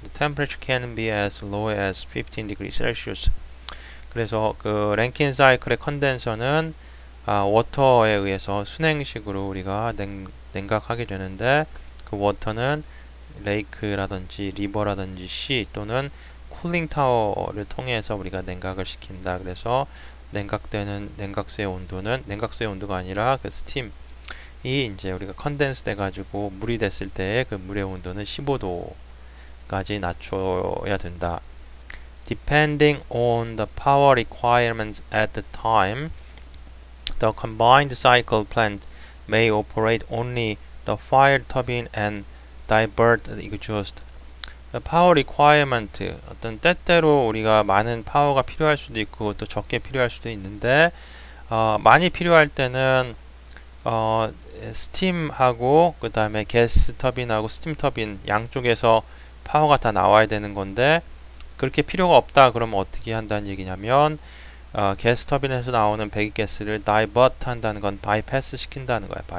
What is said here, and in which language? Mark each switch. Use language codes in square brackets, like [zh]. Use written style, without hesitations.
[en] The temperature can be as low as 15 degrees Celsius. [ko] 그래서 그 랭킨 사이클의 컨덴서는 워터에 의해서 순행식으로 우리가 냉각하게 되는데 그 워터는 레이크라든지 리버라든지 시 또는 쿨링 타워를 통해서 우리가 냉각을 시킨다. 그래서 냉각수의 온도는 냉각수의 온도가 아니라 그 스팀 이 이제 우리가 컨덴스 돼가지고 물이 됐을 때그 물의 온도는 15도까지 낮춰야 된다. [en] Depending on the power requirements at the time, the combined cycle plant may operate only the fired turbine and divert the exhaust. The power requirement [ko] 어떤 때때로 우리가 많은 파워가 필요할 수도 있고 또 적게 필요할 수도 있는데 많이 필요할 때는 스팀하고 그 다음에 가스 터빈하고 스팀 터빈 양쪽에서 파워가 다 나와야 되는 건데 그렇게 필요가 없다 그러면 어떻게 한다는 얘기냐면 가스 터빈에서 나오는 배기 가스를 다이버트 한다는 건 바이패스 시킨다는 거야.